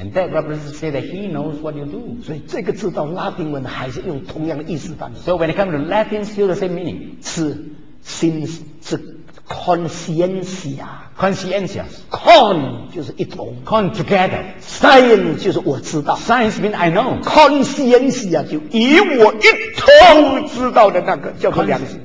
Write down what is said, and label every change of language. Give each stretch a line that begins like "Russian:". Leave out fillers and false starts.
English: And that represents say that he knows what you do.
Chinese: 所以这个知道拉丁文还是用同样的意思翻译。
English: So when it comes to Latin, still the same meaning.
Chinese: 是 ，since 是 conscientia.
Latin: Conscientia.
Chinese: Con 就是一同。
English: Con together.
Chinese: Science 就是我知道。
English: Science means I know.
Chinese: Conscientia 就与我一同知道的那个叫做良心。